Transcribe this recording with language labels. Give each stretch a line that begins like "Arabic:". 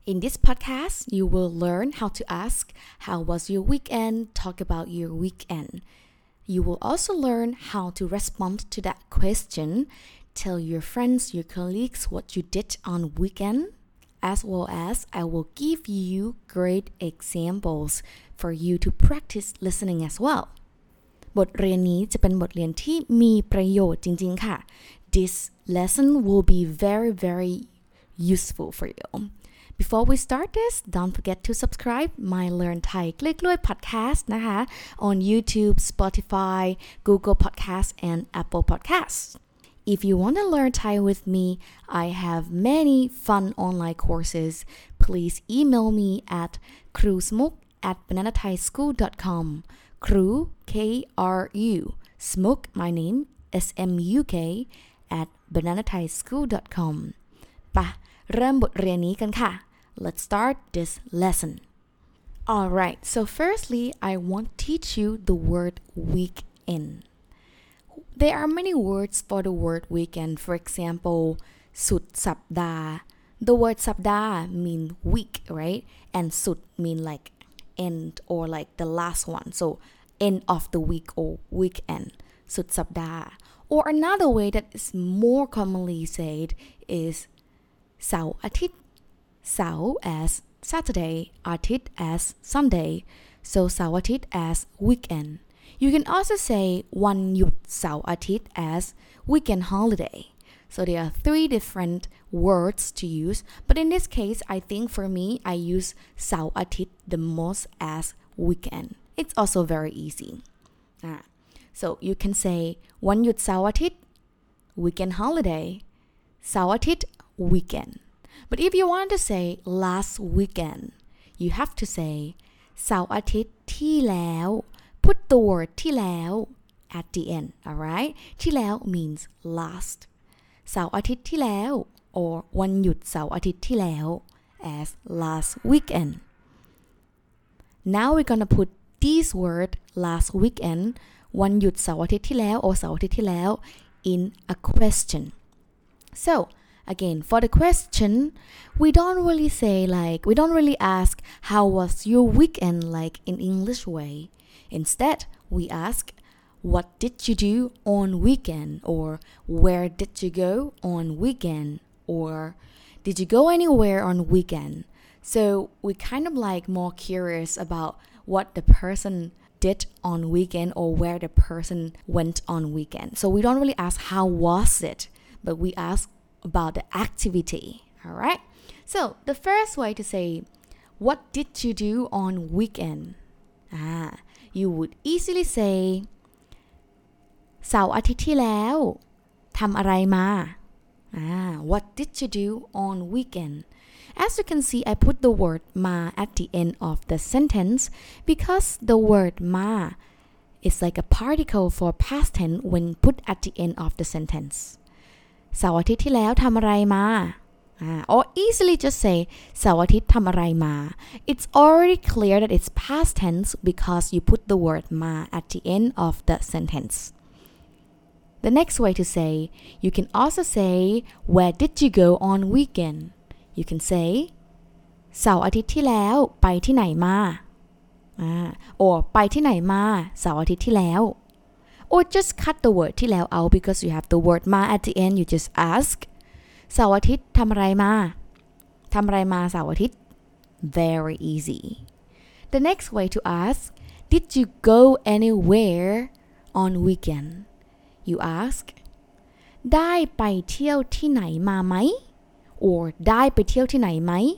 English: In this podcast, you will learn how to ask how was your weekend, talk about your weekend. You will also learn how to respond to that question, tell your friends, your colleagues what you did on weekend, as well as I will give you great examples for you to practice listening as well.
Thai: บทเรียนนี้จะเป็นบทเรียนที่มีประโยชน์จริงๆค่ะ
English: This lesson will be very, very useful for you. Before we start this, don't forget to subscribe my Learn Thai Glue Glue podcast นะคะ on YouTube, Spotify, Google Podcasts, and Apple Podcasts. If you want to learn Thai with me, I have many fun online courses. Please email me at crewsmoke@bananathaischool.com. Crew, K-R-U, smoke, my name, S-M-U-K, @bananathaischool.com.
Thai: ปะเริ่มบทเรียนนี้กันค่ะ
English: Let's start this lesson. All right. So firstly, I want to teach you the word weekend. There are many words for the word weekend. For example, สุดสัปดาห์ The word สัปดาห์ mean week, right? And สุด mean like end or like the last one. So end of the week or weekend. สุดสัปดาห์ Or another way that is more commonly said is เสาร์อาทิตย์เสาร์ as Saturday, อาทิตย์ as Sunday, so เสาร์อาทิตย์ as weekend. You can also say วันหยุดเสาร์อาทิตย์ as weekend holiday. So there are three different words to use, but in this case, I think for me, I use เสาร์อาทิตย์ the most as weekend. It's also very easy. So you can say วันหยุดเสาร์อาทิตย์ weekend holiday, เสาร์อาทิตย์ weekend. But if you want to say last weekend, you have to say เสาร์อาทิตย์ที่แล้ว Put the word ที่แล้ว at the end, alright? ที่แล้ว means last. เสาร์อาทิตย์ที่แล้ว or วันหยุดเสาร์อาทิตย์ที่แล้ว as last weekend. Now we're gonna put this word last weekend, วันหยุดเสาร์อาทิตย์ที่แล้ว or เสาร์อาทิตย์ที่แล้ว in a question. So,Again, for the question, we don't really say like, we don't really ask how was your weekend like in English way. Instead, we ask, what did you do on weekend? Or where did you go on weekend? Or did you go anywhere on weekend? So we kind of like more curious about what the person did on weekend or where the person went on weekend. So we don't really ask how was it, but we ask,about the activity, all right? So the first way to say, what did you do on weekend? You would easily say,
Thai: เสาร์อาทิตย์ที่แล้วทำอะไรมา
English: What did you do on weekend? As you can see, I put the word มา at the end of the sentence because the word มา is like a particle for past tense when put at the end of the sentence.
Thai: เสาร์อาทิตย์ที่แล้วทำอะไรมา
English: or easily just say
Thai: เสาร์อาทิตย์ทำอะไรมา
English: it's already clear that it's past tense because you put the word มา at the end of the sentence the next way to say you can also say where did you go on weekend you can say
Thai: เสาร์อาทิตย์ที่แล้วไปที่ไหนมา
English: or
Thai: ไปที่ไหนมาเสาร์อาทิตย์ที่แล้ว
English: Or just cut the word ที่แล้ว out because you have the word มา at the end. You just ask,
Thai: เสาร์อาทิตย์ทำอะไรมา ทำอะไรมาเสาร์อาทิตย์
English: Very easy. The next way to ask, did you go anywhere on weekend? You ask,
Thai: ได้ไปเที่ยวที่ไหนมาไหม Or ได้ไปเที่ยวที่ไหนไหม